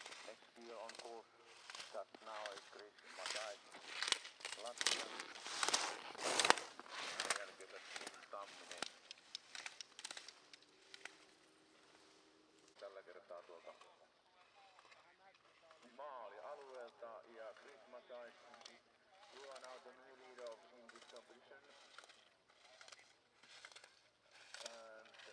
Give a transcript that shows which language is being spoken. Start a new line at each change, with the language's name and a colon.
English: Next year on course, that now is Chris Matai. Latvia.
Finnish: Sen jälkeen tässä Tamminen. Tällä kertaa tuolta maalialueelta ja Chris Matai.
English: You are now the new leader of this competition. And